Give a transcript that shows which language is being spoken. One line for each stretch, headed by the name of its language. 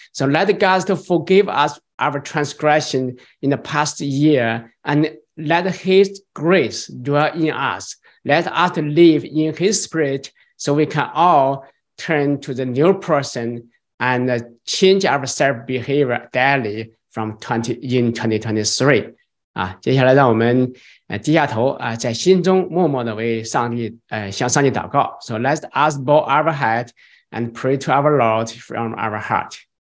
English: So let God to forgive us our transgression in the past year, and let His grace dwell in us. Let us live in His Spirit so we can all turn to the new person and change our self-behavior daily in 2023.
Chinese: 接下来让我们低下头在心中默默地为上帝向上帝祷告。
English: So let us bow our head and pray to our Lord from our heart.